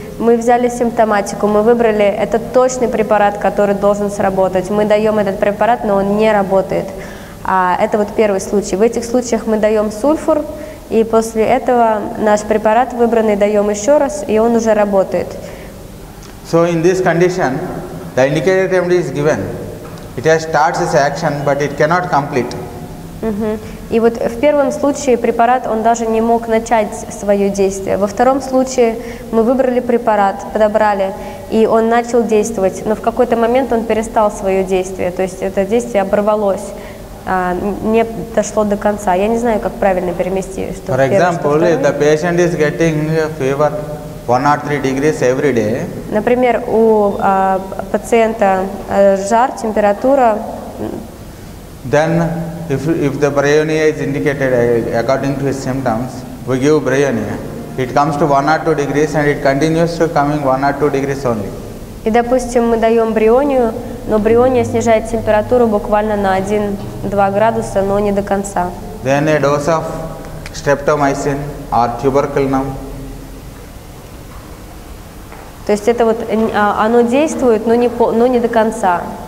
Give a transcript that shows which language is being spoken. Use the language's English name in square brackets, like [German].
[Russian] Мы взяли симптоматику, мы выбрали этот точный препарат, который должен сработать. Мы даем этот препарат, но он не работает. Это вот первый случай. В этих случаях мы даем сульфур, и после этого наш препарат выбранный даем еще раз, и он уже работает. [English] So in this condition, the indicated remedy is given. It has starts its action, but it cannot complete. [Russian] И вот в первом случае препарат, он даже не мог начать свое действие. Во втором случае мы выбрали препарат, подобрали, и он начал действовать. Но в какой-то момент он перестал свое действие, то есть это действие оборвалось, не дошло до конца. Я не знаю, как правильно переместить, что первое, что второе. [English] For example, if the patient is getting fever 103 degrees every day. [Russian] Например, у пациента жар, температура. [English] Then, if the bryonia is indicated according to his symptoms, we give bryonia. It comes to 102 degrees and it continues to coming 102 degrees only. [Russian] И, допустим, мы даем бryонию, но бryония снижает температуру буквально на 1-2 градуса, но не до конца. [English] Then a dose of streptomycin or tuberculum. [Russian] То есть это вот, оно действует, но не до конца.